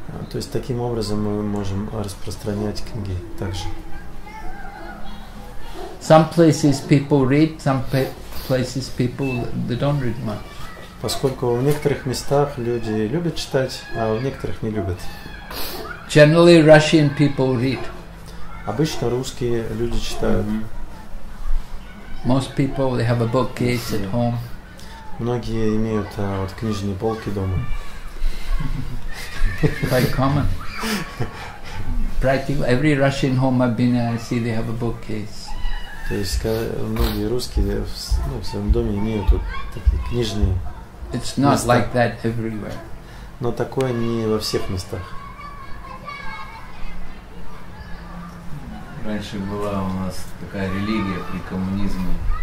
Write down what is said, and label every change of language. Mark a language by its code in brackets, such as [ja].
[ru] То есть таким образом мы можем распространять книги также. [en] Some places people read, some places people they don't read much. [ru] Поскольку в некоторых местах люди любят читать, а в некоторых не любят. [en] Generally Russian people read. [ru] Обычно русские люди читают. [en] Most people they have a bookcase at home. [ru] Многие имеют вот книжные полки дома. [en] Quite common. Practically every Russian home I've been in, I see they have a bookcase. [ru] То есть многие русские в своем доме имеют вот такие книжные. [en] It's not места. Like that everywhere. [ru] Но такое не во всех местах. Раньше была у нас такая религия при коммунизме.